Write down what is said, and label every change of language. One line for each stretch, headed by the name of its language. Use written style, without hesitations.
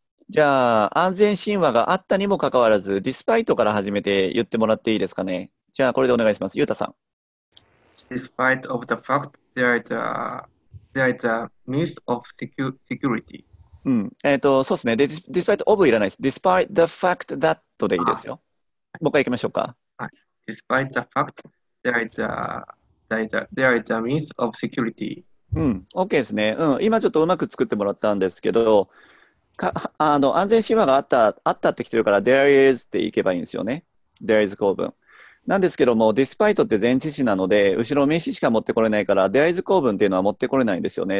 Japanese: じゃあ、安全神話があったにもかかわらず、ディスパイトから始めて言ってもらっていいですかね。じゃあ、これでお願いします。ゆうたさん。
English: Despite of the fact there is a myth of security.
Japanese: うん。そうですね。
English: Despite of
Japanese: いらないです。
English: Despite the fact that
Japanese: でいいですよ。もう一回行きましょうか。はい。
English: Despite the fact there is a myth of security.
Japanese: うん。OK ですね。うん。今ちょっとうまく作ってもらったんですけど、安全神話があった、あったって来てるから、there is っていけばいいんですよね。 there is 構文。なんですけども、despite って前置詞なので、後ろ名詞しか持ってこれないから、there is 構文っていうのは持ってこれないんですよね。